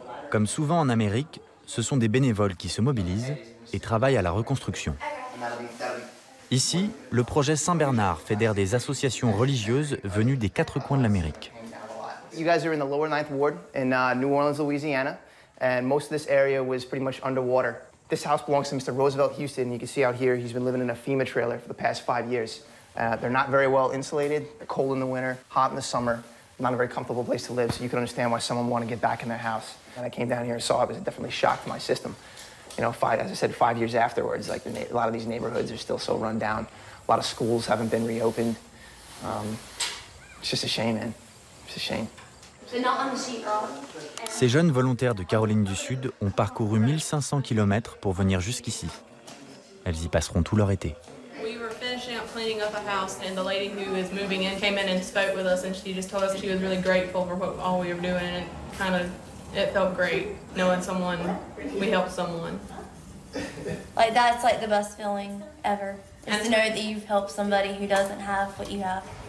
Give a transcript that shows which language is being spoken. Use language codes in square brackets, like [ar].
[fr] Comme souvent en Amérique, ce sont des bénévoles qui se mobilisent et travaillent à la reconstruction. Ici, le projet Saint-Bernard fédère des associations religieuses venues des quatre coins de l'Amérique. [en] You guys are in the lower ninth ward in New Orleans, Louisiana, and most of this area was pretty much underwater. This house belongs to Mr. Roosevelt Houston. You can see out here, he's been living in a FEMA trailer for the past 5 years. They're not very well insulated. They're cold in the winter, hot in the summer. Not a very comfortable place to live, so you can understand why someone wanted to get back in their house. And I came down here and saw it. It was definitely shocked my system. You know, five years afterwards, like a lot of these neighborhoods are still so run down. A lot of schools haven't been reopened. It's just a shame, man. It's a shame. [fr] Ces jeunes volontaires de Caroline du Sud ont parcouru 1500 km pour venir jusqu'ici. Elles y passeront tout leur été. [en] We were finishing up cleaning up a house and the lady who is moving in came in and spoke with us and she just told us she was really grateful for what all we were doing and it felt great knowing someone, we helped someone. Like that's like the best feeling ever, is to know that you've helped somebody who doesn't have what you have.